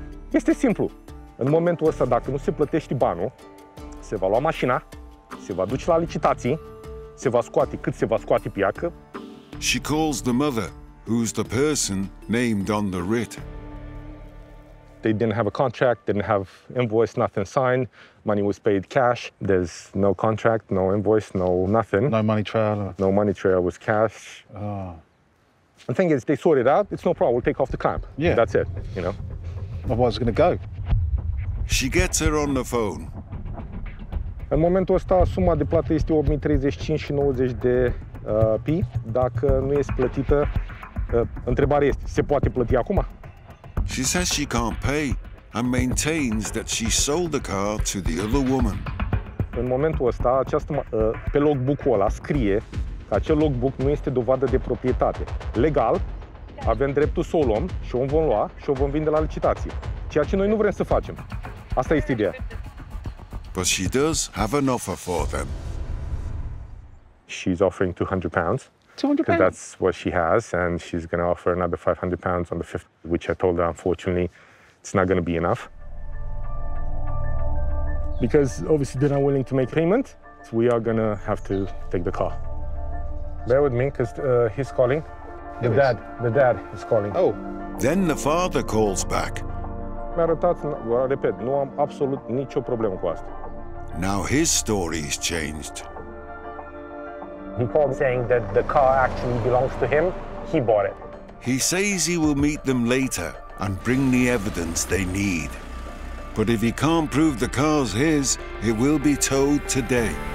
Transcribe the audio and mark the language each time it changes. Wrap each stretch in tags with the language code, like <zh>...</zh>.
<ro>Este simplu. În momentul ăsta, dacă nu se plătește banul, se va lua mașina, se va duce la licitații, se va scoate cât se va scoate piacă.</ro> <en>She calls the mother, who's the person named on the writ. They didn't have a contract, didn't have invoice, nothing signed. Money was paid cash. There's no contract, no invoice, no nothing. No money trail. No money trail, was cash. Oh. The thing is, they sort it out, it's no problem, we'll take off the clamp. Yeah. That's it, you know. Otherwise, going to go. She gets her on the phone.</en> <ro>În momentul ăsta, suma de plată este 8.035,90 de pi. Dacă nu este plătită, întrebarea este, se poate plăti acum?</ro> <en>She says she can't pay and maintains that she sold the car to the other woman.</en> <ro>În momentul ăsta, pe logbook-ul ăla scrie că acel logbook nu este dovadă de proprietate. Legal, avem dreptul să o luăm și o vom lua și o vom vinde la licitație. Ceea ce noi nu vrem să facem. Asta este ideea.</ro> <en>But she does have an offer for them. She's offering £200. £200? That's what she has, and she's going to offer another £500 on the 5th, which I told her, unfortunately, it's not going to be enough. Because obviously they're not willing to make payment, so we are going to have to take the car. Bear with me, because he's calling. The dad is calling. Oh. Then the father calls back.</en> <ro>Mi-a arătat, repet, nu am absolut nicio problemă cu asta.</ro> <en>Now his story's changed. He called saying that the car actually belongs to him. He bought it. He says he will meet them later and bring the evidence they need. But if he can't prove the car's his, it will be towed today.</en>